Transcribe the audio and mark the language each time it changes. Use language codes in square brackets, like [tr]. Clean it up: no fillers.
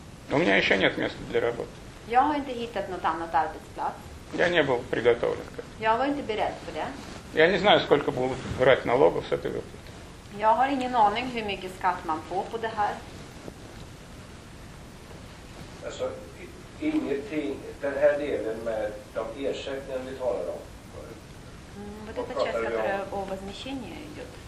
[ru] У меня еще нет места для работы. Я не был приготовлен к этому. Я не знаю, сколько будут брать налогов с этой выплаты. Я не знаю, сколько будут брать налогов с этой выплаты. [sv] Alltså, ingenting, den här delen med de ersättningar vi talar om. [ru] Вот эта часть, которая о возмещении идет.